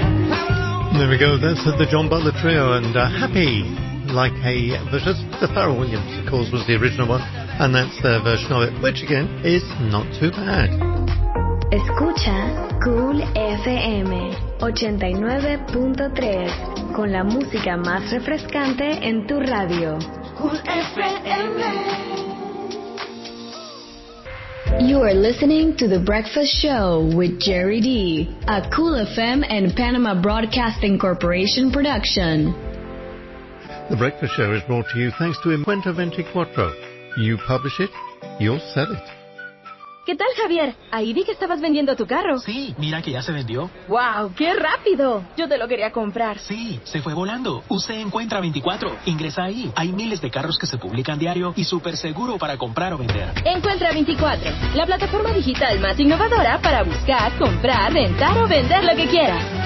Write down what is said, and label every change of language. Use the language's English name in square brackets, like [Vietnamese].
[English] The John Butler Trio and Happy, like a version. The Pharrell Williams, of course, was the original one, and that's their version of it, which again is not too bad. [Spanish] Escucha Cool FM 89.3 con la música más refrescante en tu radio. [English] Cool FM. You are listening to The Breakfast Show with Jerry D, a Cool FM and Panama Broadcasting Corporation production. The Breakfast Show is brought to you thanks to Imuenta 24. You publish it, you'll sell it. [Spanish] ¿Qué tal, Javier? Ahí vi que estabas vendiendo tu carro. Sí, mira que ya se vendió. ¡Wow! ¡Qué rápido! Yo te lo quería comprar. Sí, se fue volando. Usé Encuentra 24. Ingresa ahí. Hay miles de carros que se publican diario y súper seguro para comprar o vender. Encuentra 24, la plataforma digital más innovadora para buscar, comprar, rentar o vender lo que quieras.